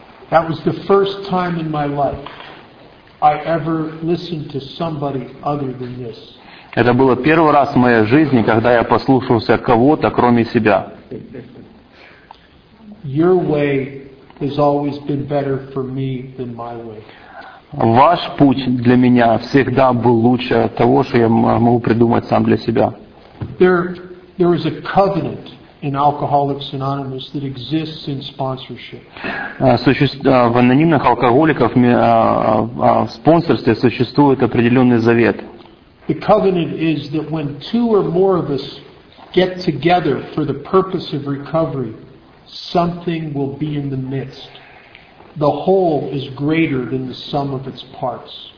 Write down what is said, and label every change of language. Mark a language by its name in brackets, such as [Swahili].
[English] That was the first time in my life I ever listened to somebody other than this. [Russian] Это было первый раз в моей жизни, когда я послушался кого-то, кроме себя. [English] Your way has always been better for me than my way. [Russian] Ваш путь для меня всегда был лучше того, что я могу придумать сам для себя. [English] There is a covenant in Alcoholics Anonymous that exists in sponsorship. [Russian] В анонимных алкоголиках в спонсорстве существует определенный завет. [English] The covenant is that when two or more of us get together for the purpose of recovery, something will be in the midst. The whole is greater than the sum of its parts.